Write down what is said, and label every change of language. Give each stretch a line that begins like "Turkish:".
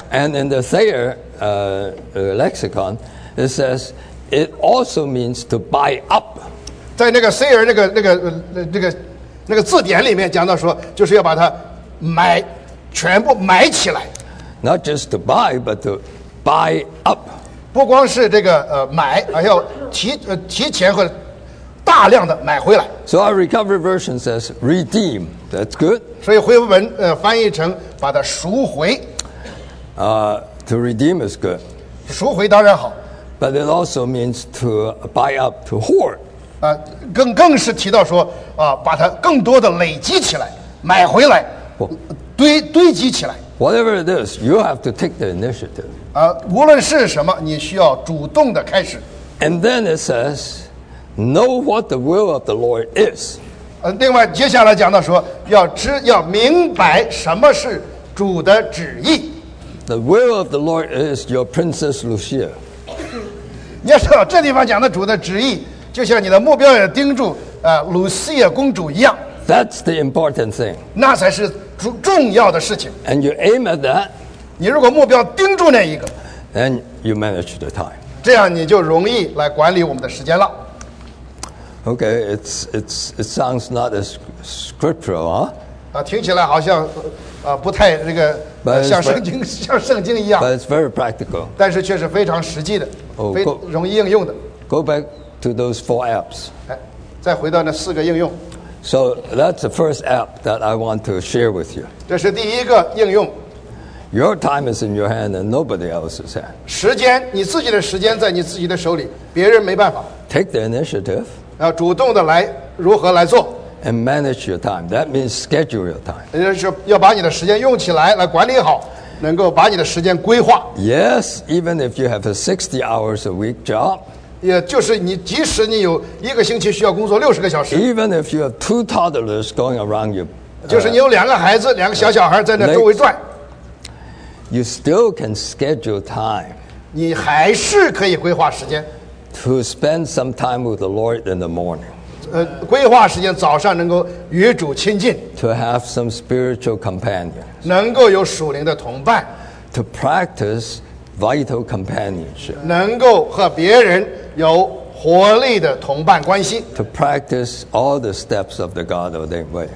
English: And in the Thayer lexicon, it says it also means to buy up.
Chinese: 在那个 Thayer 那个字典里面讲到说，就是要把它买全部买起来。
English: Not just to buy, but to buy up.
Chinese: 不光是这个买，而要提前和大量的买回来。
English: So our recovery version says redeem. That's good.
Chinese: 所以恢复文翻译成把它赎回。
English: To redeem is good.
Chinese: 赎回当然好。
English: But it also means to buy up, to hoard.
Chinese: 更是提到说把它更多的累积起来，买回来，堆积起来。
English: Whatever it is, you have to take the initiative.
Chinese: 无论是什么，你需要主动的开始。
English: And then it says. Know what the will of the Lord is.
Chinese: 另外接下来讲到说要明白什么是主的旨意。
English: The will of the Lord is your Princess Lucia.
Chinese: 你要知道这地方讲的主的旨意就像你的目标也盯住卢西亚公主一样。
English: That's the important thing.
Chinese: 那才是重要的事情。
English: And you aim at that.
Chinese: 你如果目标盯住那一个。
English: Then you manage the time.
Chinese: 这样你就容易来管理我们的时间了。
English: Okay, it sounds not as scriptural, huh?
Chinese: 听起来好像不太这个像圣经一样。
English: But it's very practical.
Chinese: 但是却是非常实际的，非容易应用的。
English: Go back to those four apps.
Chinese: 再回到那四个应用。
English: So that's the first app that I want to share with you.
Chinese: 这是第一个应用。
English: Your time is in your hand and nobody else's hand.
Chinese: 时间，你自己的时间在你自己的手里，别人没办法。
English: Take the initiative.
Chinese: 要主动的来，如何来做
English: ？And manage your time. That means schedule your time.
Chinese: 也就是要把你的时间用起来，来管理好，能够把你的时间规划。
English: Yes, even if you have a 60 hours a week job.
Chinese: 也就是你，即使你有一个星期需要工作60个小时。
English: Even if you have two toddlers going around you.
Chinese: 就是你有两个孩子，两个小小孩在那周围转。
English: You still can schedule time.
Chinese: 你还是可以规划时间。
English: To spend some time with the Lord in the morning.
Chinese: 规划时间早上能够与主亲近。
English: To have some spiritual companion.
Chinese: 能够有属灵的同伴。
English: To practice vital companionship.
Chinese: 能够和别人有活力的同伴关系。
English: To practice all the steps of the God-ordained way.